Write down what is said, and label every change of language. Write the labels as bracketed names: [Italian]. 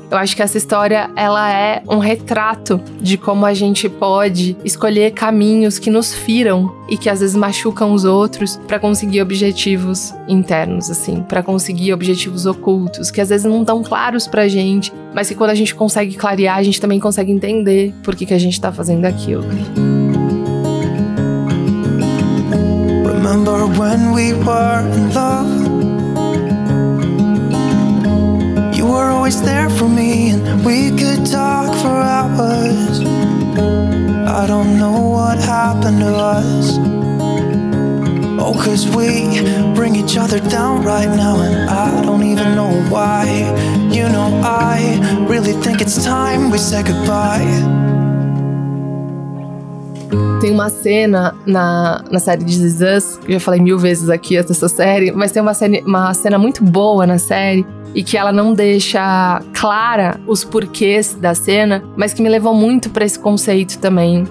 [Portuguese] Eu acho que essa história, ela é um retrato de como a gente pode escolher caminhos que nos firam e que às vezes machucam os outros pra conseguir objetivos internos, assim, pra conseguir objetivos ocultos, que às vezes não estão claros pra gente, mas que quando a gente consegue clarear, a gente também consegue entender por que que a gente tá fazendo aquilo. [English] Remember when we were in love? always there for me, and we could talk for hours. I don't know what happened to us. Oh, 'cause we bring each other down right now, and I don't even know why. You know, I really think it's time we say goodbye. [Portuguese] Tem uma cena na série de This Is Us, que eu já falei mil vezes aqui essa série, mas tem uma cena muito boa na série, e que ela não deixa clara os porquês da cena, mas que me levou muito pra esse conceito também.